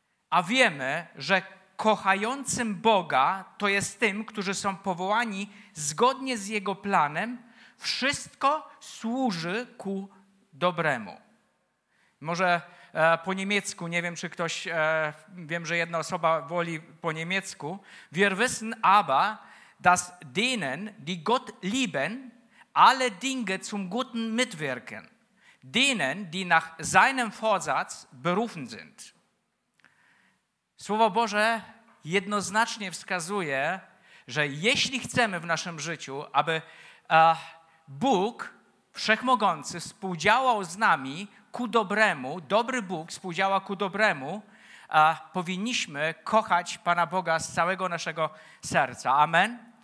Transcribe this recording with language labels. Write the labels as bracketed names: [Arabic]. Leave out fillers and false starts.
[Polish] A wiemy, że kochającym Boga to jest tym, którzy są powołani zgodnie z Jego planem, wszystko służy ku dobremu. Może po niemiecku, nie wiem, czy ktoś, wiem, że jedna osoba woli po niemiecku. [German] Wir wissen aber, dass denen, die Gott lieben, alle Dinge zum Guten mitwirken. Denen, die nach seinem Vorsatz berufen sind. [Polish] Słowo Boże jednoznacznie wskazuje, że jeśli chcemy w naszym życiu, aby Bóg Wszechmogący współdziałał z nami ku dobremu, dobry Bóg współdziała ku dobremu, powinniśmy kochać Pana Boga z całego naszego serca. Amen.